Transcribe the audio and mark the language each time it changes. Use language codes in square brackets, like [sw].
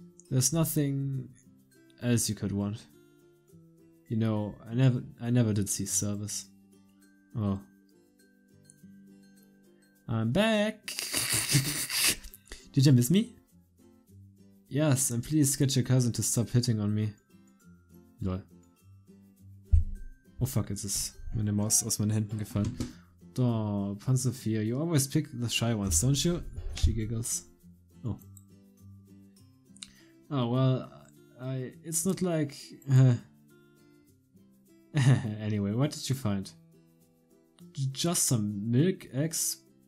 [en] There's nothing else you could want. You know, I never did see service. Oh. I'm back! Did you miss me? Yes, and please get your cousin to stop hitting on me. Lol. [de] Oh fuck, jetzt ist meine Maus aus meinen Händen gefallen. [en] Oh, Panzer 4, you always pick the shy ones, don't you? She giggles. Oh. Oh, well, it's not like... Anyway, what did you find? Just some milk, eggs...